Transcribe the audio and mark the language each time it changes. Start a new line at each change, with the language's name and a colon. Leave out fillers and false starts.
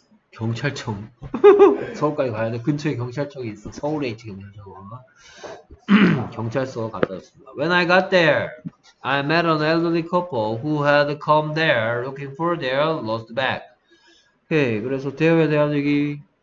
Korean: 경찰청 서울까지 가야 돼. 근처에 경찰청이 있어. 서울에 있지 경찰청. 경찰서 갔다 왔습니다.
English: When I got there, I met an elderly couple who had come there looking for their lost bag.
Korean: 오케이, 그래서 대여에 대한 얘기.